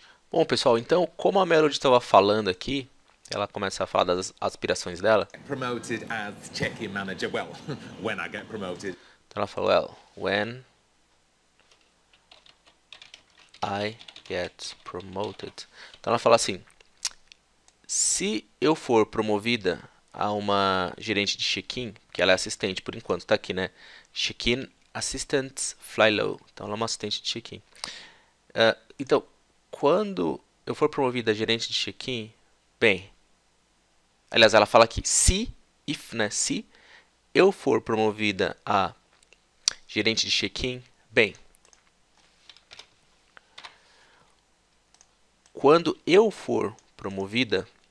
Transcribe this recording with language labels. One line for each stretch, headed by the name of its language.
Portuguese: Bom, pessoal, então, como a Melody estava falando aqui, ela começa a falar das aspirações dela.
English: Promoted as check-in manager. Well, when I get promoted.
Portuguese: Então ela falou,
English: well, when I get promoted.
Portuguese: Então ela fala assim: se eu for promovida a uma gerente de check-in, que ela é assistente por enquanto, está aqui, né?
English: Check-in assistant fly low.
Portuguese: Então ela é uma assistente de check-in. Então, quando eu for promovida a gerente de check-in, bem, aliás, ela fala aqui, se, if, né, se eu for promovida a gerente de check-in, bem, quando eu for promovida